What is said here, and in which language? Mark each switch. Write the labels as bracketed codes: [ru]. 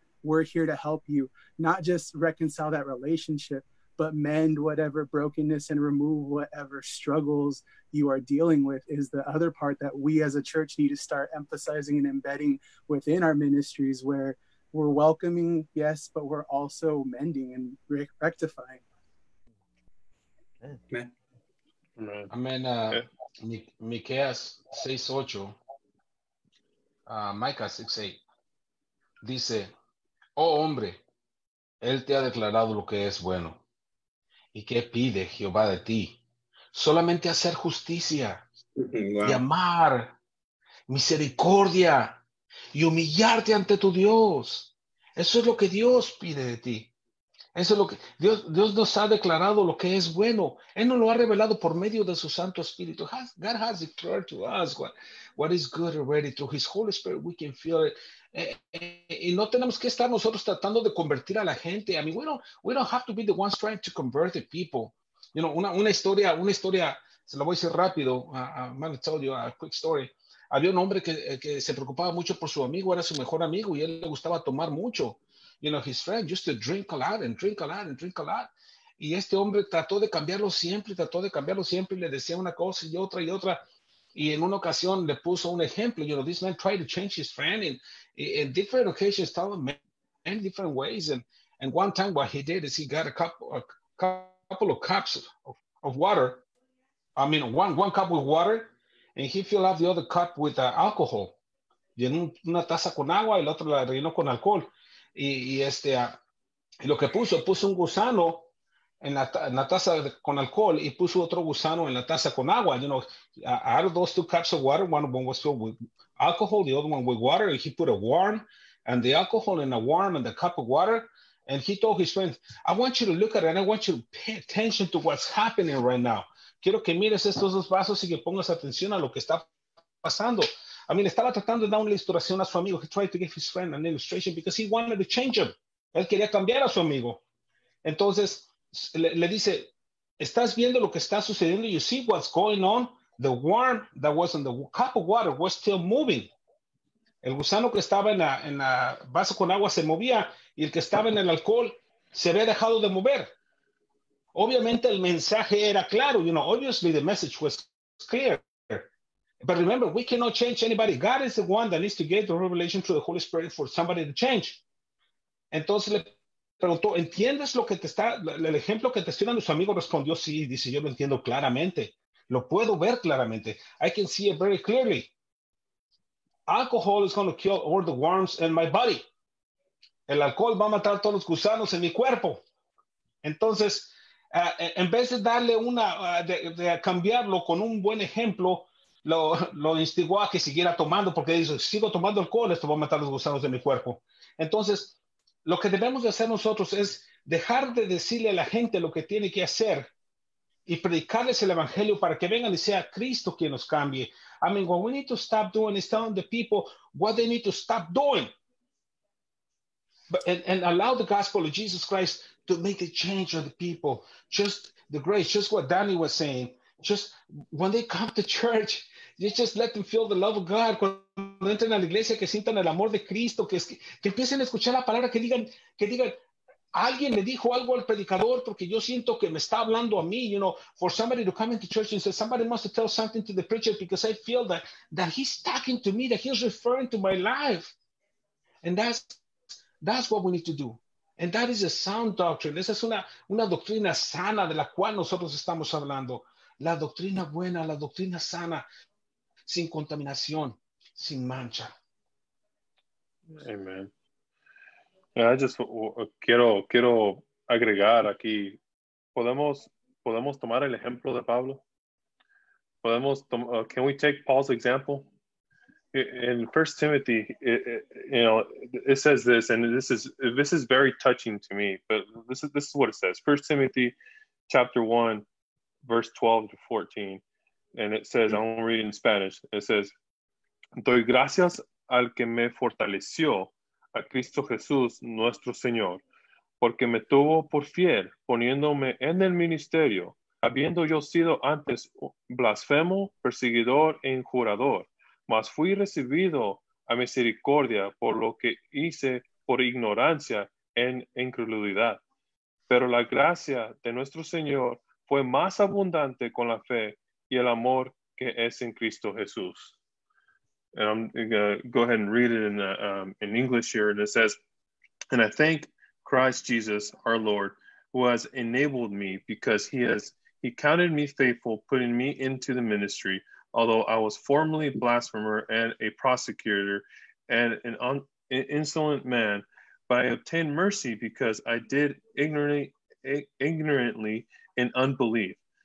[en] We're here to help you. Not just reconcile that relationship, but mend whatever brokenness and remove whatever struggles you are dealing with is the other part that we as a church need to start emphasizing and embedding within our ministries, where we're welcoming, yes, but we're also mending and rectifying. Amen. Amen. [es] Micaiah 6:8, Micah 6:8, dice, oh hombre, él te ha declarado lo que es bueno. ¿Y qué pide Jehová de ti? Solamente hacer justicia, y amar, misericordia, y humillarte ante tu Dios. Eso es lo que Dios pide de ti. Eso es lo que Dios, Dios nos ha declarado lo que es bueno. Él nos lo ha revelado por medio de su Santo Espíritu. [en] God has declared to us what is good already. Through His Holy Spirit, we can feel it. [es] Y no tenemos que estar nosotros tratando de convertir a la gente. [en] I mean, we don't have to be the ones trying to convert the people. You know, [es] una historia, se la voy a decir rápido. [en] I'm going to tell you a quick story. [es] Había un hombre que se preocupaba mucho por su amigo, era su mejor amigo, y él le gustaba tomar mucho. [en] You know, his friend used to drink a lot and drink a lot and drink a lot. [es] Y este hombre trató de cambiarlo siempre, y le decía una cosa y otra y otra. Y en una ocasión le puso un ejemplo. [en] You know, this man tried to change his friend in different occasions, told him many different ways. And one time what he did is he got a couple of cups of water. I mean, one cup with water, and he filled up the other cup with alcohol. [es] Llenó una taza con agua y la otra la rellenó con alcohol. Y lo que puso un gusano en la taza con alcohol y puso otro gusano en la taza con agua. [en] You know, out of those two cups of water, one of them was filled with alcohol, the other one with water, and he put a worm and the alcohol in a worm and the cup of water. And he told his friend, I want you to look at it and I want you to pay attention to what's happening right now. [es] Quiero que mires estos dos vasos y que pongas atención a lo que está pasando. [en] I mean, [es] estaba tratando de dar una ilustración a su amigo. [en] He tried to give his friend an illustration because he wanted to change him. [es] Él quería cambiar a su amigo. Entonces, le dice, ¿estás viendo lo que está sucediendo? [en] You see what's going on? The worm that was in the cup of water was still moving. [es] El gusano que estaba en la vaso con agua se movía y el que estaba en el alcohol se había dejado de mover. Obviamente, el mensaje era claro. [en] You know, obviously, the message was clear. But remember, we cannot change anybody. God is the one that needs to get the revelation through the Holy Spirit for somebody to change. [es] Entonces le preguntó, ¿entiendes lo que te está, el ejemplo que te estoy dando? Su amigo respondió, sí, dice, yo lo entiendo claramente. Lo puedo ver claramente. [en] I can see it very clearly. Alcohol is going to kill all the worms in my body. [es] El alcohol va a matar todos los gusanos en mi cuerpo. Entonces, en vez de darle de cambiarlo con un buen ejemplo, lo instigó a que siguiera tomando, porque dice, sigo tomando alcohol, esto va a matar los gusanos de mi cuerpo. Entonces, lo que debemos de hacer nosotros es dejar de decirle a la gente lo que tiene que hacer y predicarles el evangelio para que vengan y sea Cristo quien nos cambie. [en] I mean, what we need to stop doing is telling the people what they need to stop doing. And allow the gospel of Jesus Christ to make the change of the people. Just the grace, just what Danny was saying. Just when they come to church, you just let them feel the love of God. [es] Cuando entren a la iglesia, que sientan el amor de Cristo, que empiecen a escuchar la palabra, que digan, alguien le dijo algo al predicador, porque yo siento que me está hablando a mí. [en] You know, for somebody to come into church and say, somebody must tell something to the preacher because I feel that he's talking to me, that he's referring to my life. And that's what we need to do. And that is a sound doctrine. [es] Esa es una doctrina sana de la cual nosotros estamos hablando. La doctrina buena, la doctrina sana, sin contaminación, sin mancha. [en] Amen. I just [es] quiero agregar aquí, podemos tomar el ejemplo de Pablo. [en] Can we take Paul's example? In 1 Timothy, it says this, and this is very touching to me, but this is what it says. 1 Timothy chapter 1. Verse 12 to 14, and it says, I'm going to read in Spanish. It says, [es] doy gracias al que me fortaleció, a Cristo Jesús, nuestro Señor, porque me tuvo por fiel, poniéndome en el ministerio, habiendo yo sido antes blasfemo, perseguidor e injurador, mas fui recibido a misericordia por lo que hice por ignorancia en incredulidad. Pero la gracia de nuestro Señor fue más abundante con la fe y el amor que es en Cristo Jesús. [en] And I'm going to go ahead and read it in English here. And it says, and I thank Christ Jesus, our Lord, who has enabled me because he counted me faithful, putting me into the ministry. Although I was formerly a blasphemer and a prosecutor and an insolent man, but I obtained mercy because I did ignorantly in unbelief.